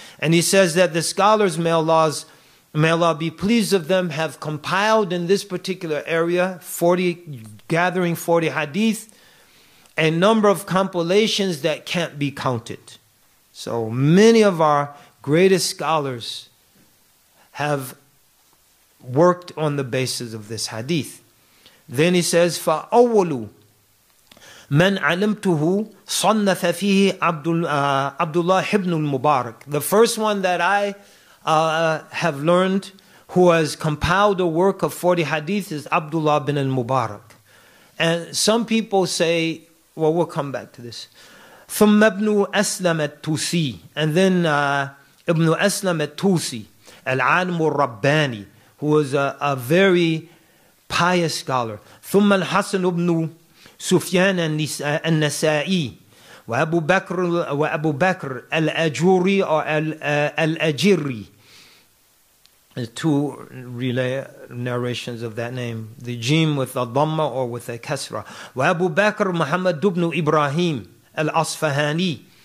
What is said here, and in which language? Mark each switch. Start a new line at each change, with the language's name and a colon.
English: And he says that the scholars, may Allah be pleased of them, have compiled in this particular area, gathering 40 hadith, a number of compilations that can't be counted. So many of our greatest scholars have worked on the basis of this hadith. Then he says,
Arabic: فَأَوَّلُ مَنْ عَلِمْتُهُ صَنَّفَ فِيهِ عَبْدُ اللَّهِ إِبْنُ الْمُبَارَكِ.
English: The first one that I have learned who has compiled a work of 40 hadith is Abdullah bin al-Mubarak. And some people say, well, we'll come back to this.
Arabic: ثم ابن أسلم التوسي.
English: And then ابن أسلم التوسي
Arabic: العالم الرباني,
English: who was a very pious scholar.
Arabic: ثم الحسن ابن سفيان النسائي وأبو بكر الأجوري أو الأجيري.
English: Two relay narrations of that name, the jim with a dhamma or with a kasra. وأبو بكر محمد ابن إبراهيم الأصفهاني